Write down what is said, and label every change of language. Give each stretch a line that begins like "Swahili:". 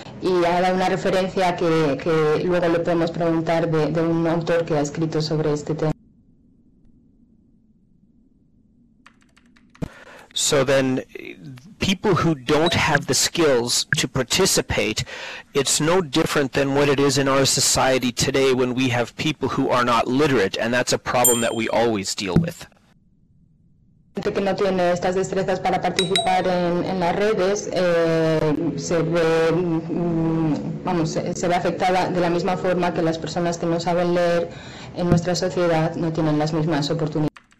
Spanish: Y ha dado una referencia que luego le podemos preguntar de un autor que ha escrito sobre este tema.
English: So then, people who don't have the skills to participate, it's no different than what it is in our society today when we have people who are not literate, and that's a problem that we always deal with.
Spanish: Que no tiene estas destrezas para participar en las redes se ve afectada de la misma forma que las personas que no saben leer en nuestra sociedad no tienen las mismas oportunidades.